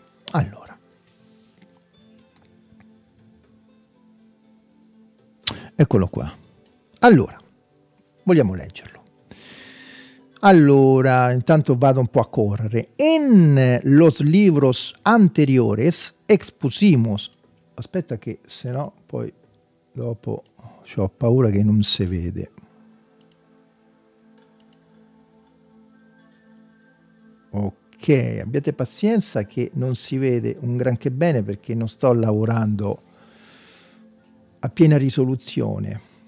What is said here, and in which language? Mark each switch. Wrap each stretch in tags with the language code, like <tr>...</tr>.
<it>Allora, eccolo qua. Allora, vogliamo leggerlo. Allora, intanto vado un po' a correre.</it> <es>In los libros anteriores expusimos.</es> <it>Aspetta, che se no poi dopo ho paura che non si vede. Ok. Ok, abbiate pazienza che non si vede un granché bene perché non sto lavorando a piena risoluzione.</it>